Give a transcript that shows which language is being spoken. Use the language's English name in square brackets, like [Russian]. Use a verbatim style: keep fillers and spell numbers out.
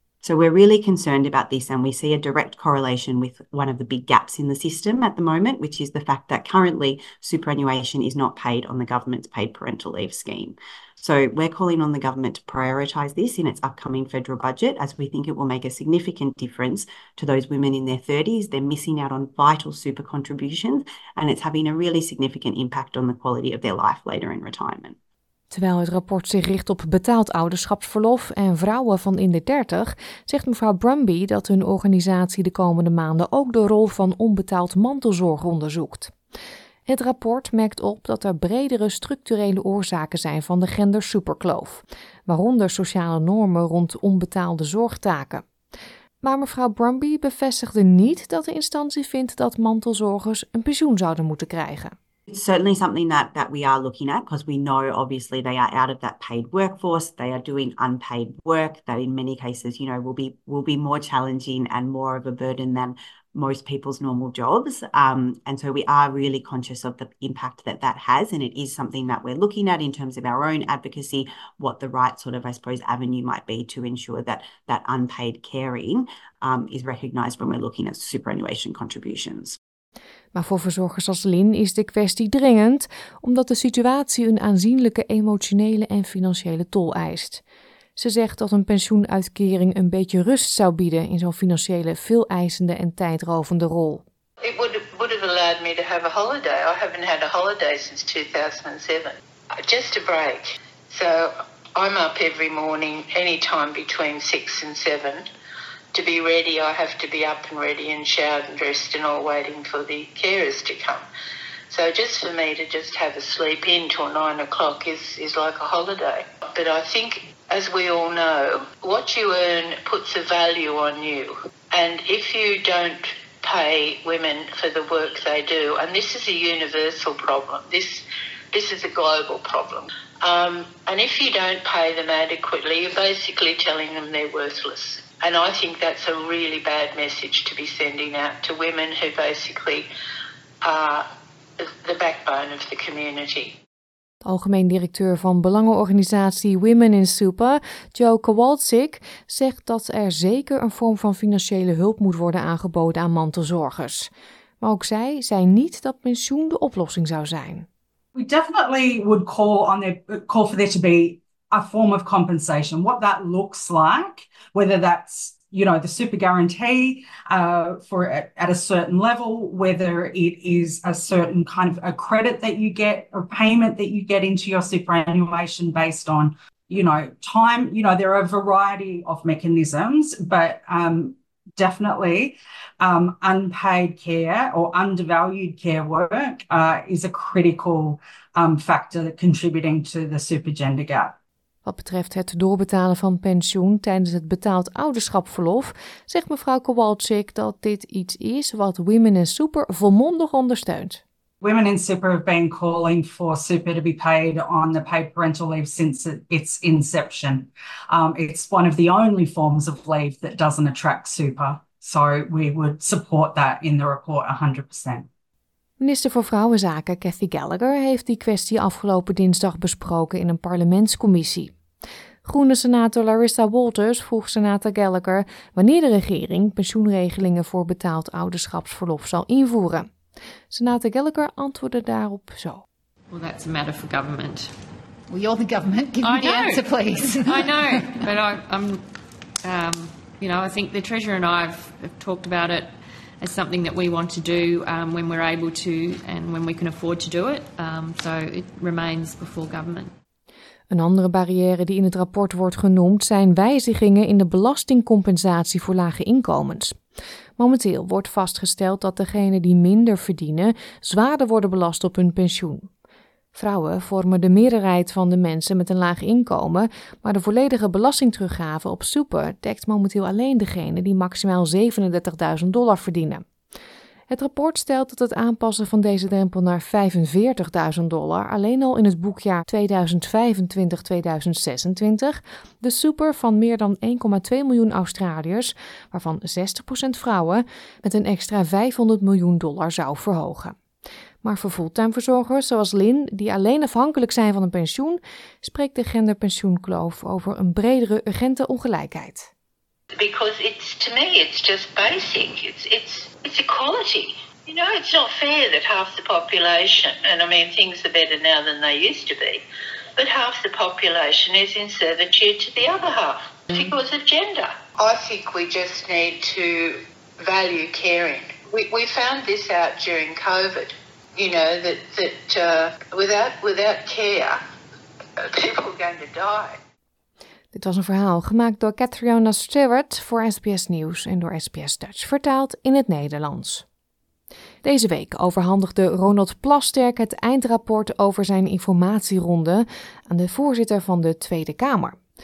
[English] So we're really concerned about this, and we see a direct correlation with one of the big gaps in the system at the moment, which is the fact that currently superannuation is not paid on the government's paid parental leave scheme. So we're calling on the government to prioritise this in its upcoming federal budget, as we think it will make a significant difference to those women in their thirties. They're missing out on vital super contributions, and it's having a really significant impact on the quality of their life later in retirement. [Dutch] Terwijl het rapport zich richt op betaald ouderschapsverlof en vrouwen van in de dertig, zegt mevrouw Brumby dat hun organisatie de komende maanden ook de rol van onbetaald mantelzorg onderzoekt. Het rapport merkt op dat er bredere structurele oorzaken zijn van de gendersuperkloof, waaronder sociale normen rond onbetaalde zorgtaken. Maar mevrouw Brumby bevestigde niet dat de instantie vindt dat mantelzorgers een pensioen zouden moeten krijgen. [English] It's certainly something that, that we are looking at, because we know obviously they are out of that paid workforce. They are doing unpaid work that in many cases, you know, will be will be more challenging and more of a burden than most people's normal jobs. Um, and so we are really conscious of the impact that that has. And it is something that we're looking at in terms of our own advocacy, what the right sort of, I suppose, avenue might be to ensure that that unpaid caring um, is recognised when we're looking at superannuation contributions. [Dutch] Maar voor verzorgers als Lynn is de kwestie dringend, omdat de situatie een aanzienlijke emotionele en financiële tol eist. Ze zegt dat een pensioenuitkering een beetje rust zou bieden in zo'n financiële, veeleisende en tijdrovende rol. [English] It would, would have allowed me to have a holiday. I haven't had a holiday since two thousand seven. Just a break. So I'm up every morning, any time between six and seven. To be ready, I have to be up and ready and showered and dressed and all, waiting for the carers to come. So just for me to just have a sleep in till nine o'clock is, is like a holiday. But I think, as we all know, what you earn puts a value on you. And if you don't pay women for the work they do, and this is a universal problem, this this is a global problem. Um, and if you don't pay them adequately, you're basically telling them they're worthless. And I think that's a really bad message to be sending out to women who basically are the backbone of the community. [Dutch] De algemeen directeur van belangenorganisatie Women in Super, Joe Kowalczyk, zegt dat er zeker een vorm van financiële hulp moet worden aangeboden aan mantelzorgers. Maar ook zij zei niet dat pensioen de oplossing zou zijn. [English] We definitely would call on their, call for there to be a form of compensation. What that looks like, whether that's, you know, the super guarantee uh, for at, at a certain level, whether it is a certain kind of a credit that you get or payment that you get into your superannuation based on, you know, time. You know, there are a variety of mechanisms, but um, definitely um, unpaid care or undervalued care work uh, is a critical um, factor contributing to the super gender gap. [Dutch] Wat betreft het doorbetalen van pensioen tijdens het betaald ouderschapsverlof, zegt mevrouw Kowalczyk dat dit iets is wat Women in Super volmondig ondersteunt. [English] Women in Super have been calling for super to be paid on the paid parental leave since its inception. Um, it's one of the only forms of leave that doesn't attract super. So we would support that in the report one hundred percent. [Dutch] Minister voor Vrouwenzaken Cathy Gallagher heeft die kwestie afgelopen dinsdag besproken in een parlementscommissie. Groene senator Larissa Walters vroeg senator Gallagher wanneer de regering pensioenregelingen voor betaald ouderschapsverlof zal invoeren. Senator Gallagher antwoordde daarop zo. [English] Well, that's a matter for government. Well, you're the government. Give me the answer, please. I know, but I, I'm um, You know, I think the Treasurer and I have, have talked about it as something that we want to do um, when we're able to and when we can afford to do it. Um, so it remains before government. [Dutch] Een andere barrière die in het rapport wordt genoemd zijn wijzigingen in de belastingcompensatie voor lage inkomens. Momenteel wordt vastgesteld dat degenen die minder verdienen zwaarder worden belast op hun pensioen. Vrouwen vormen de meerderheid van de mensen met een laag inkomen, maar de volledige belastingteruggave op super dekt momenteel alleen degenen die maximaal zevenendertigduizend dollar verdienen. Het rapport stelt dat het aanpassen van deze drempel naar vijfenveertigduizend dollar alleen al in het boekjaar tweeduizend vijfentwintig tweeduizend zesentwintig de super van meer dan één komma twee miljoen Australiërs, waarvan zestig procent vrouwen, met een extra vijfhonderd miljoen dollar zou verhogen. Maar voor fulltimeverzorgers zoals Lynn, die alleen afhankelijk zijn van een pensioen, spreekt de genderpensioenkloof over een bredere urgente ongelijkheid. [English] Because it's, to me, it's just basic. It's it's it's equality. You know, it's not fair that half the population, and I mean things are better now than they used to be, but half the population is in servitude to the other half because of gender. I think we just need to value caring. We we found this out during COVID. You know that that uh, without without care, people are going to die. [Dutch] Dit was een verhaal gemaakt door Catriona Stewart voor S B S Nieuws en door S B S Dutch vertaald in het Nederlands. Deze week overhandigde Ronald Plasterk het eindrapport over zijn informatieronde aan de voorzitter van de Tweede Kamer.